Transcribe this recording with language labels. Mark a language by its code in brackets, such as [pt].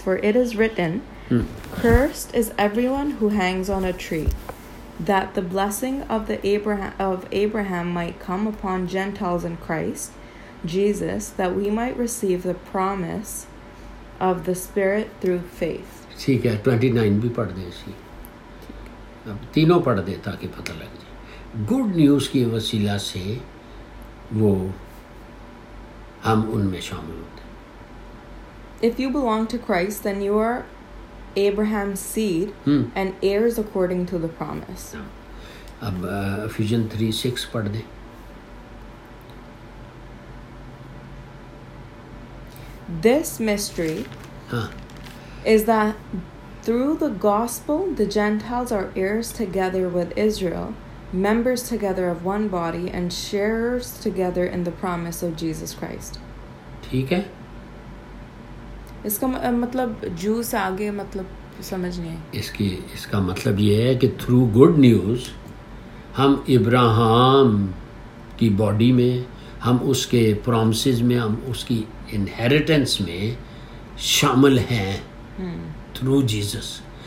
[en] For it is written, cursed is everyone who hangs on a tree, that the blessing of the Abraham might come upon Gentiles in Christ Jesus, that we might receive the promise of the Spirit through faith. [hi] ठीक है, 29 भी पढ़ दे इसी. अब तीनों पढ़ दे ताकि पता लग जाए. [en] Good news [hi] की वसीला से वो हम उनमें शामिल होते हैं. [en] If you belong to Christ, then you are Abraham's seed and heirs according to the promise. [hi] अब Ephesians 3:6 पढ़ दे. [en] This mystery is that through the gospel, the Gentiles are heirs together with Israel, members together of one body, and sharers together in the promise of Jesus Christ. [hi] ठीक है, इसका मतलब जू से आगे मतलब समझ नहीं है. इसकी इसका मतलब ये है कि [en] through good news [hi] हम इब्राहिम की बॉडी में, हम उसके प्रॉमिसेस में, हम उसकी इनहेरिटेंस में शामिल हैं थ्रू जीसस.